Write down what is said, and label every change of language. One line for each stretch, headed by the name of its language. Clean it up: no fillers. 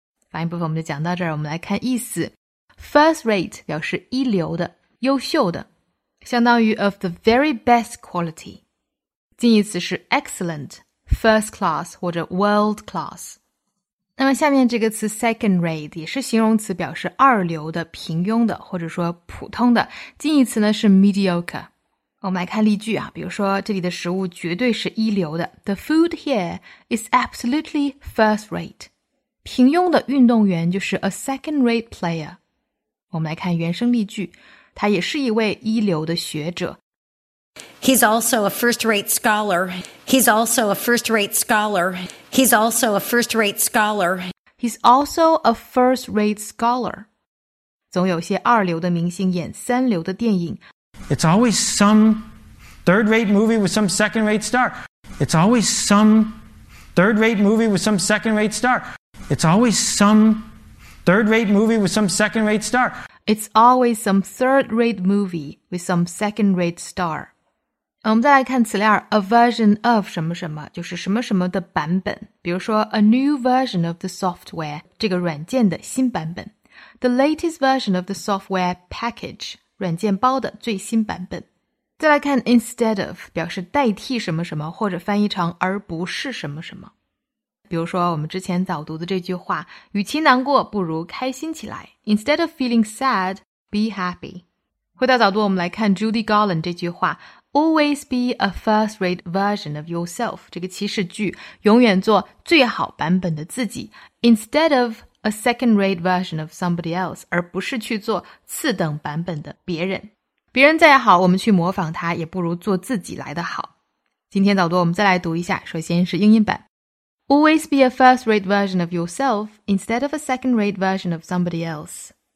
Chinese: 发音部分我们就讲到这儿，我们来看意思。 First-rate 表示一流的、优秀的，相当于
English: of the very best quality.
Chinese: 近义词是 excellent, first-class 或者 world-class. 那么下面这个词 second rate 也是形容词，表示二流的、平庸的或者说普通的，近义词呢是 mediocre。我们来看例句啊，比如说这里的食物绝对是一流的，
English: The food here is absolutely first rate.
Chinese: 平庸的运动员就是
English: a second rate player.
Chinese: 我们来看原声例句，他也是一位一流的学者。
English: He's also a first-rate scholar. He's also a first-rate scholar. He's also a first-rate scholar. He's also a first-rate scholar.
Chinese: 总有些二流的明星演三流的电影。
English: It's always some third-rate movie with some second-rate star. It's always some third-rate movie with some second-rate star. It's always some third-rate movie with some second-rate star. It's always some third-rate movie with some second-rate star.
Chinese: 我们再来看词链 ,a version of 什么什么就是什么什么的版本。比如说 ,
English: a new version of the software,
Chinese: 这个软件的新版本。
English: The latest version of the software package,
Chinese: 软件包的最新版本。再来看 instead of, 表示代替什么什么或者翻译成而不是什么什么。比如说我们之前早读的这句话，与其难过不如开心起来。
English: Instead of feeling sad, be happy.
Chinese: 回到早读我们来看 Judy Garland 这句话。
English: Always be a first-rate version of yourself.
Chinese: 这个祈使句，永远做最好版本的自己。
English: Instead of a second-rate version of somebody else,
Chinese: 而不是去做次等版本的别人。别人再好，我们去模仿他，也不如做自己来得好。今天早读，我们再来读一下，首先是英音版。
English: Always be a first-rate version of yourself instead of a second-rate version of somebody else.